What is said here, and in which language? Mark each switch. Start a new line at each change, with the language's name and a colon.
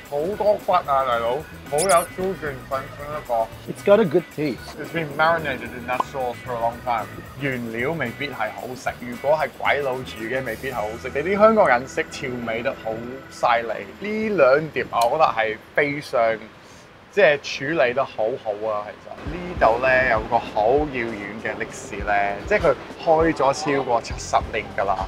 Cantonese: 好多骨啊，大佬，好有胶质粉粉一个。
English: It's got a good taste. It's been marinated in that sauce for a long time.
Cantonese: 原料未必系好食，如果系鬼佬煮嘅，未必系好食。你啲香港人识调味得好犀利。呢两碟我觉得系非常即系处理得好好啊。其实呢度咧有个好遥远嘅历史咧，即系佢开咗超过70年噶啦。